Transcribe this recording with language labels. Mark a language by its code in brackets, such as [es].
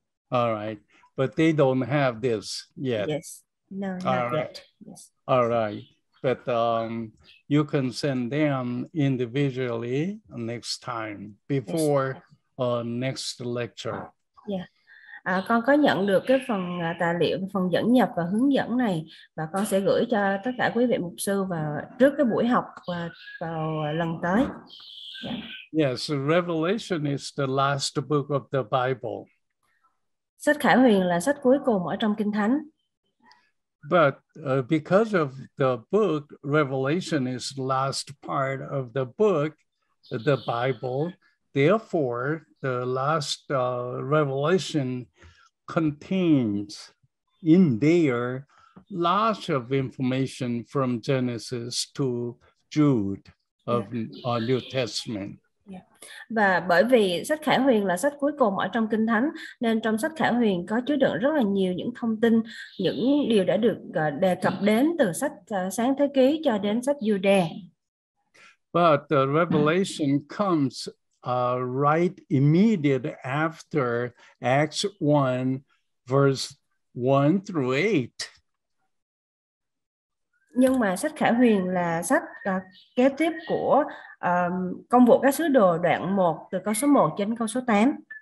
[en] All right, but they don't have this yet. Yes. No, all not right. Yet. Yes. All right. But you can send them individually next time before next lecture. Yeah. [vi] Con có nhận được cái phần tài liệu, phần dẫn nhập và hướng dẫn này và con sẽ gửi cho tất cả quý vị mục sư vào trước cái buổi học vào lần tới. [en] Yeah. Yes, Revelation is the last book of the Bible. [vi] Sách Khải Huyền là sách cuối cùng ở trong Kinh Thánh. [en] But because of the book, Revelation is last part of the book, the Bible. Therefore, the last Revelation contains in there lots of information from Genesis to Jude of New Testament. [vi] Và bởi vì sách Khải Huyền là sách cuối cùng ở trong Kinh Thánh nên trong sách Khải Huyền có chứa đựng rất là nhiều những thông tin, những điều đã được đề cập đến từ sách Sáng Thế Ký cho đến sách Giu-đe. [en] But the revelation comes right immediate after Acts 1 verse 1 through 8. [vi] Nhưng mà sách Khải Huyền là sách kế tiếp của công vụ các sứ đồ đoạn 1 từ câu số 1 đến câu số 8.